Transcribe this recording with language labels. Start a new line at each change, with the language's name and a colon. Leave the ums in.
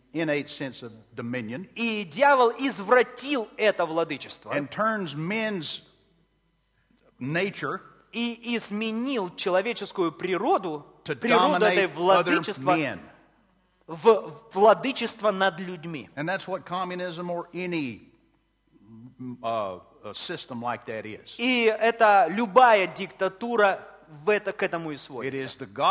English: Innate sense of dominion,
Russian: и дьявол извратил это владычество.
English: And turns men's nature
Russian: и изменил человеческую природу, природу этой владычества в владычество над людьми.
English: And that's what communism or any uh, system like that is.
Russian: И это любая диктатура в это, к этому и сводится.